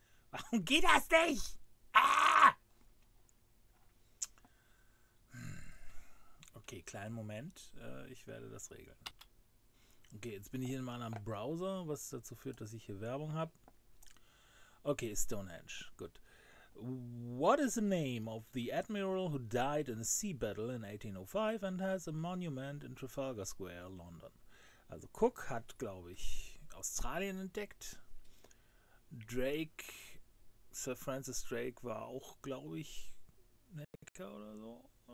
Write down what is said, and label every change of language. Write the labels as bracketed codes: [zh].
[de] Warum geht das nicht? Okay, kleinen Moment. Ich werde das regeln. Okay, jetzt bin ich in meinem Browser, was dazu führt, dass ich hier Werbung habe. Okay, Stonehenge, gut. [en] What is the name of the admiral who died in a sea battle in 1805 and has a monument in Trafalgar Square, London? [de] Also Cook hat, glaube ich, Australien entdeckt. Drake, Sir Francis Drake war auch, glaube ich, ein Hacker oder so.